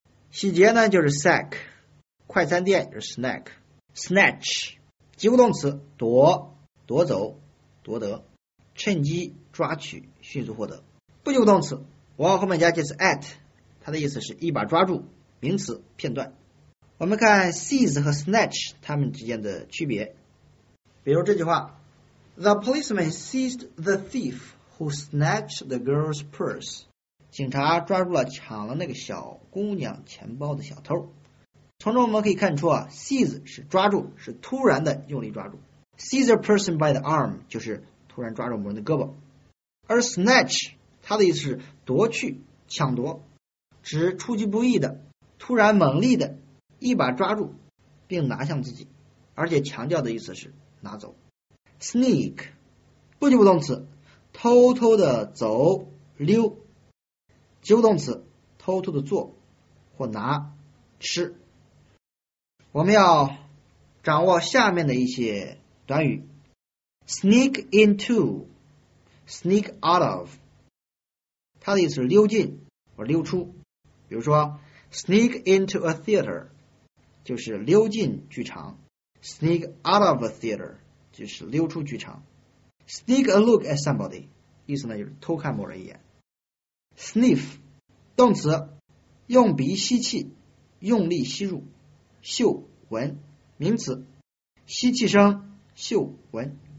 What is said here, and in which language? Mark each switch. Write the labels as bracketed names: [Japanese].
[Chinese] 洗劫呢就是 sack, 快餐店就是 snack。 snatch 及物动词，夺，夺走，夺得，趁机抓取，迅速获得。不及物动词，我往后面加介词 at, 它的意思是一把抓住，名词，片段。我们看 seize 和 snatch 它们之间的区别，比如这句话， [English] The policeman seized the thief who snatched the girl's purse. [Chinese] 警察抓住了抢了那个小姑娘钱包的小偷。从中我们可以看出啊， seize 是抓住，是突然的用力抓住。 [English] seize a person by the arm [Chinese] 就是突然抓住某人的胳膊，而 snatch 它的意思是夺去，抢夺，指出其不意的，突然猛力的一把抓住并拿向自己，而且强调的意思是拿走。 sneak 不及物动词，偷偷的走，溜。及物动词，偷偷的做或拿，吃。我们要掌握下面的一些短语， [English] sneak into, sneak out of, [Chinese] 它的意思是溜进或溜出。比如说 [English] sneak into a theater, [Chinese] 就是溜进剧场， [English] sneak out of a theater [Chinese] 就是溜出剧场。 [English] Sneak a look at somebody， [Chinese] 意思呢就是偷看某人一眼。 Sniff， 动词，用鼻吸气，用力吸入。嗅闻，名词，吸气声，嗅闻。